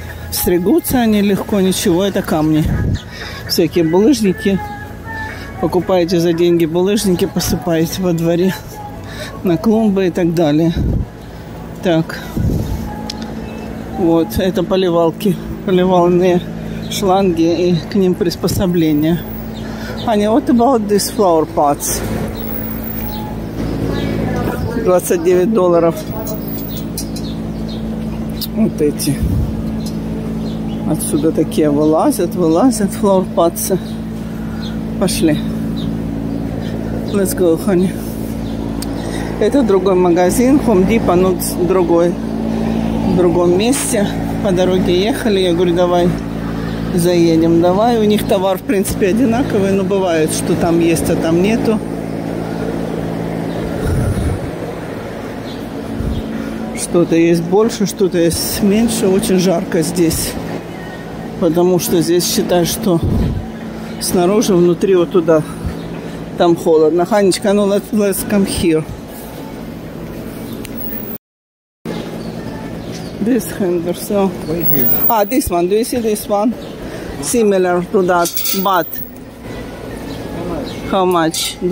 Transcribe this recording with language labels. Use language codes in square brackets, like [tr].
[ru] Стригутся они легко, ничего. Это камни. Всякие булыжники. Покупаете за деньги булыжники, посыпаете во дворе на клумбы и так далее. Так. Вот, это поливалки. Поливальные шланги и к ним приспособления. [en] Аня, what about these flower pots? $29. [ru] Вот эти. Отсюда такие вылазят, вылазят flower pots. Пошли. [en] Let's go, honey. [ru] Это другой магазин, Home Depot, но другой, в другом месте. По дороге ехали, я говорю, давай заедем, давай. У них товар, в принципе, одинаковый, но бывает, что там есть, а там нету. Что-то есть больше, что-то есть меньше. Очень жарко здесь, потому что здесь считают, что снаружи, внутри, вот туда... Там холодно. [en] Ханечка, ну, let's come here. This hanger, so... Right here. Ah, this one. Do you see this one? Yeah. Similar to that, but... How much?